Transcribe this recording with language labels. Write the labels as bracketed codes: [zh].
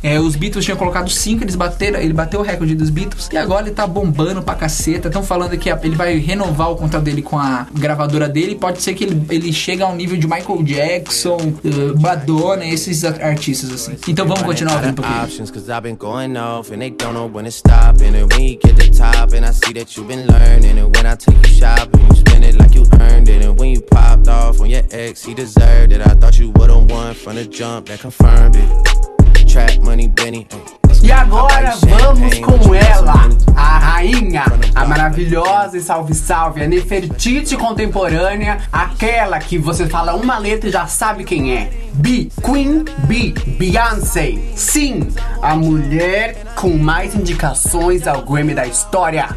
[pt] É, os Beatles tinham colocado 5, ele bateu o recorde dos Beatles. E agora ele tá bombando pra caceta. Estão falando que ele vai renovar o contrato dele com a gravadora dele, pode ser que ele chegue ao nível de Michael Jackson, Madonna, esses artistas assim. Então vamos continuar vendo um pouquinho. [en] Cause I've been going off and they don't know when it's stopping. And when you get the top and I see that you've been learning. And when I take you shopping, you spend it like you earned it. And when you popped off on your ex, he deserved it. I thought you would've won from the jump that confirmed it. Trap money, Benny. [pt] E agora vamos com ela, a rainha, a maravilhosa e salve-salve, a Nefertiti contemporânea, aquela que você fala uma letra e já sabe quem é. B, Queen B, Beyoncé. Sim, a mulher com mais indicações ao Grammy da história.